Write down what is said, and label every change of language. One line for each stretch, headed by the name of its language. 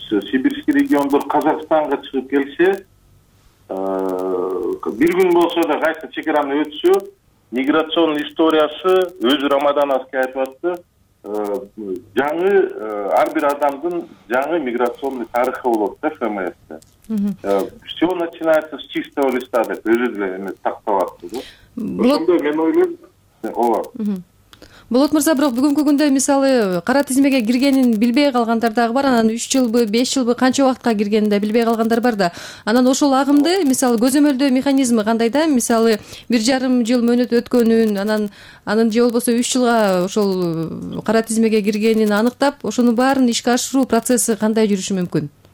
Kyrgyz: Сибирский региондор Казакстанга чыгып келсе, бир күн болсо да кайсы чек араны өтсө, миграциянын историясы өзү Рамадановский айтып атты, жаңы ар бир адамдын жаңы миграциянын тарыхы болот да ФМСте.
Russian: Все начинается с чистого листа
Kyrgyz: деп өзү деле эми тактап атты да. Ошондо мен ойлойм, ооба. Болот мырза, бирок бүгүнкү күндө мисалы кара тизмеге киргенин билбей калгандар дагы бар, анан 3 жылбы, 5 жылбы, канча убакытка киргенин да билбей калгандар бар да. Анан ошол агымды мисалы көзөмөлдөө механизми кандай да? Мисалы 1.5 жыл мөөнөт өткөнүн, анан анын же болбосо 3 жылга ошол кара тизмеге киргенин аныктап, ошонун баарын ишке ашыруу процесси кандай жүрүшү мүмкүн?